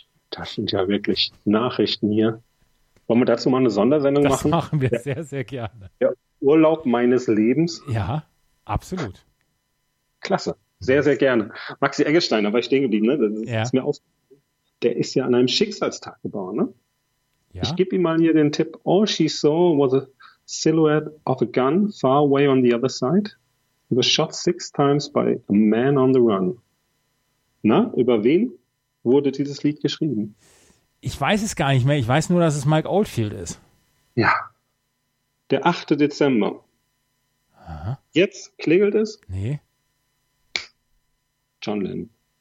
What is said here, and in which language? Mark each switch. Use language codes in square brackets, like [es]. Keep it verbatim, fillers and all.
[de] Das sind ja wirklich Nachrichten hier. Wollen wir dazu mal eine Sondersendung das machen? Das machen wir ja. sehr, sehr gerne. Der Urlaub meines Lebens. Ja, absolut. Klasse. Sehr, sehr gerne. Maxi Eggestein, da war ich stehen geblieben. Ne? Das ja. ist mir auf. Der ist ja an einem Schicksalstag geboren, ne? Ja. Ich gebe ihm mal hier den Tipp. [en] All she saw was a silhouette of a gun far away on the other side. He was shot six times by a man on the run. [de] Na, über wen wurde dieses Lied geschrieben? Ich weiß es gar nicht mehr. Ich weiß nur, dass es Mike Oldfield ist. Ja. Der achte Dezember. Aha. Jetzt klingelt es. Nee. John Lennon.